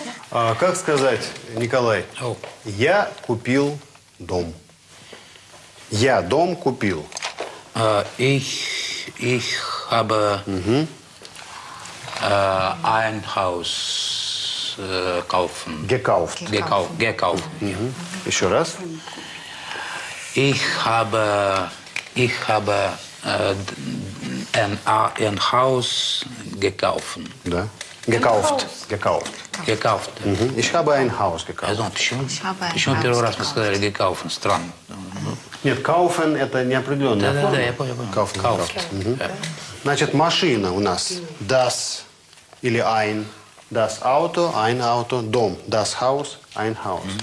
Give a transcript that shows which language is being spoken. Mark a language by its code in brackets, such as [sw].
[ru] А как сказать, Николай, я купил дом. Я дом купил. [de] Ich habe ein Haus kaufen. Gekauft. Gekauft. [ru] Еще раз. [de] Ich habe ein Haus gekauft. Да. Gekauft. Gekauft. Gekauft. Ich habe ein Haus gekauft. [ru] Also, почему первый раз мы сказали gekauft? Странно. Нет, kaufen – это неопределённая форма. Да, я понял. [de] Kauft. [ru] Значит, машина у нас – das или ein. [de] Das Auto – ein Auto. Дом – das Haus – ein Haus.